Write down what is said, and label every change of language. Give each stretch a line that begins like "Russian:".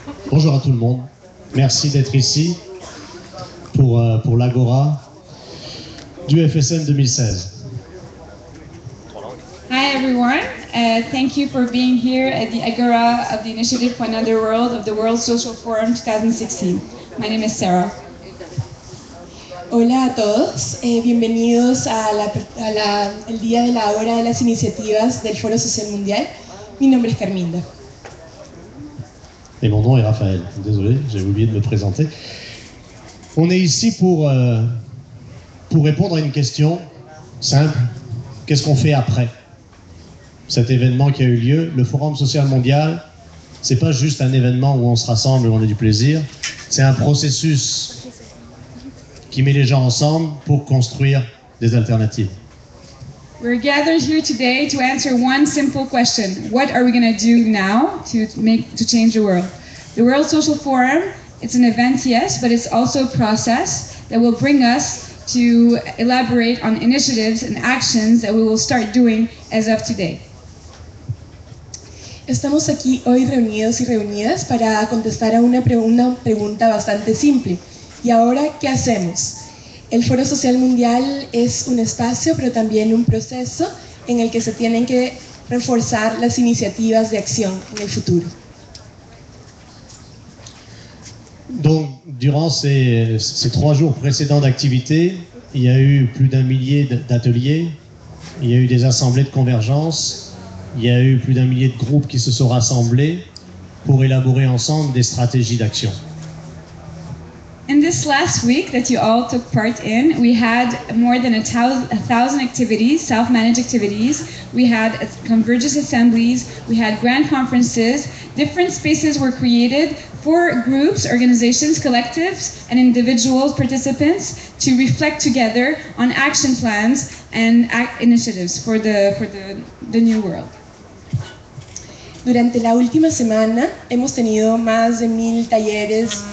French: Bonjour à tout le monde. Merci d'être ici pour l'Agora du FSN 2016.
English: Hi, everyone. Thank you for being here at the Agora of the Initiative for Another World of the World Social Forum 2016. My name is Sarah.
Spanish: Hola a todos, bienvenidos al día de la hora de las iniciativas del Foro Social Mundial. Mi nombre es Carminda.
French: Et mon nom est Raphaël. Désolé, j'ai oublié de me présenter. On est ici pour répondre à une question simple. Qu'est-ce qu'on fait après cet événement qui a eu lieu? Le Forum Social Mondial, c'est pas juste un événement où on se rassemble, où on a du plaisir. C'est un processus qui met les gens ensemble pour construire des alternatives.
English: We're gathered here today to answer one simple question. What are we going to do now to change the world? The World Social Forum, it's an event, yes, but it's also a process that will bring us to elaborate on initiatives and actions that we will start doing as of today.
Spanish: Estamos aquí hoy reunidos y reunidas para contestar a una pregunta bastante simple. ¿Y ahora qué hacemos? El Foro Social Mundial es un espacio, pero también un proceso en el que se tienen que reforzar las iniciativas de acción en el futuro.
French: Donc, durant ces trois jours précédents d'activité, il y a eu plus d'un millier d'ateliers, il y a eu des assemblées de convergence, il y a eu plus d'un millier de groupes qui se sont rassemblés pour élaborer ensemble des stratégies d'action.
English: In this last week that you all took part in, we had more than 1,000 activities, self-managed activities. We had convergence assemblies, we had grand conferences. Different spaces were created for groups, organizations, collectives, and individuals, participants, to reflect together on action plans and initiatives for the new world.
Spanish: Durante la última semana, hemos tenido más de 1,000 talleres.